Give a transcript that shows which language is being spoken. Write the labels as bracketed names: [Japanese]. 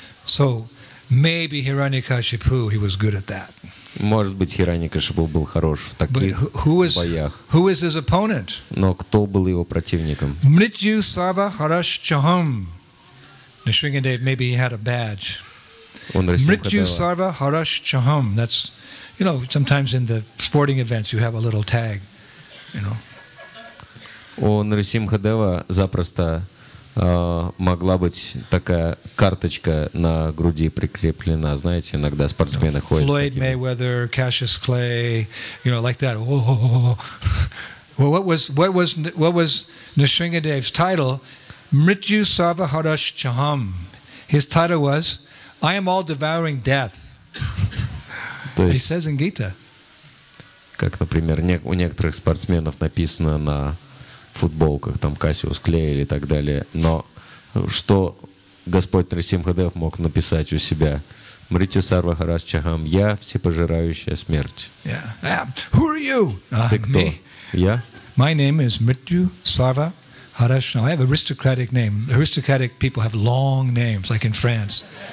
[English] So, maybe Hiranyakashipu, he was good at that. [Russian] Может быть, Хираньякашипу был хорош в таких боях. [English] Who is his opponent? [Russian] Но кто был его противником? [Sanskrit] Mrityu Sava Harash Chaham. [English] Nrisingadev, maybe he had a badge. [Sanskrit] Mrityu Sava Harash Chaham. [English] That's, you know, sometimes in the sporting events you have a little tag, you know. [Russian] У Нрисимхадева запросто могла быть такая карточка на груди прикреплена, знаете, иногда спортсмены ходят. [English] Флойд Мейвезер, Кассиус Клей, you know, like that. Whoa. Well, what was Nrisimhadev's title? [Sanskrit] Mrityu Sava Harash Chaham. [English] His title was, I am all devouring death. He says in Gita. [Russian] Как, например, у некоторых спортсменов написано на футболках, там Кассиус Клей или так далее. Но что Господь Нрисимхадев мог написать у себя? [Sanskrit] Мритю Сарва Харас Чахам, [Russian] я всепожирающая смерть. [English] Yeah. Who are you? [Russian] Ты кто? [English] Me. [Russian] Я? [English] My name is [Sanskrit] Mrityu Sava Harash. [English] I have aristocratic name. Aristocratic people have long names, like in France.